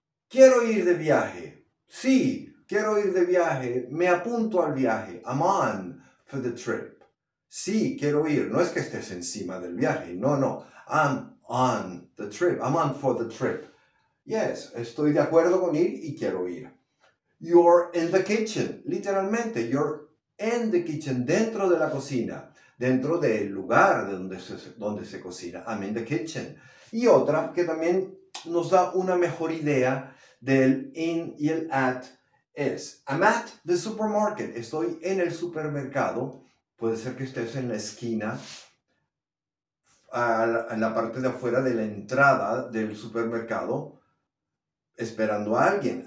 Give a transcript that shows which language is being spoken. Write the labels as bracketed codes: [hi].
[es] Quiero ir de viaje. Sí, quiero ir de viaje. Me apunto al viaje. [en] I'm on for the trip. [es] Sí, quiero ir. No es que estés encima del viaje. No, no. [en] I'm on the trip. I'm on for the trip. Yes, [es] estoy de acuerdo con ir y quiero ir. [en] You're in the kitchen. Literalmente, you're in the kitchen. [es] Dentro de la cocina. Dentro del lugar de donde se cocina. [en] I'm in the kitchen. [es] Y otra que también nos da una mejor idea del in y el at es [en] I'm at the supermarket. [es] Estoy en el supermercado. Puede ser que estés en la esquina, a la parte de afuera de la entrada del supermercado, esperando a alguien.